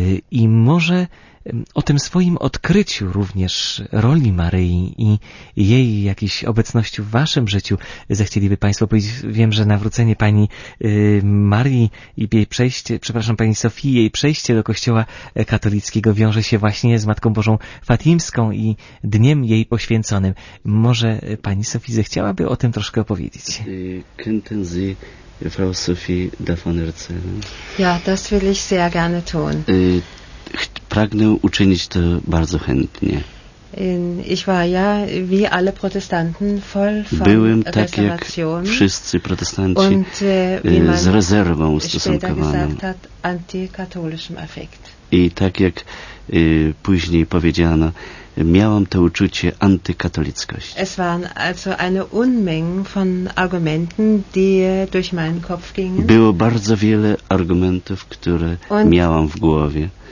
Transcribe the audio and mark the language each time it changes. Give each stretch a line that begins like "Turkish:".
Polish: I może o tym swoim odkryciu również roli Maryi i jej jakiejś obecności w waszym życiu zechcieliby państwo powiedzieć. Wiem, że nawrócenie pani Marii i jej przejście, przepraszam, pani Sofii, jej przejście do kościoła katolickiego wiąże się właśnie z Matką Bożą Fatimską i dniem jej poświęconym. Może pani Sofii zechciałaby o tym troszkę opowiedzieć?
German: Könnten Sie Frau Sophie davon erzählen? Ja, das will ich sehr gerne tun.
Polish: Pragnę uczynić to bardzo chętnie.
German: Ich war ja wie alle Protestanten voll von Reservation.
Polish: Byłem tak jak wszyscy protestanci z rezerwą stosunkowaną.
German: Antykatolischem Affekt.
Polish: I tak jak później powiedziano, miałam to uczucie antykatolickości.
German: Es waren also eine Unmenge von Argumenten, die durch meinen Kopf gingen.
Polish: Było bardzo wiele argumentów, które miałam w głowie.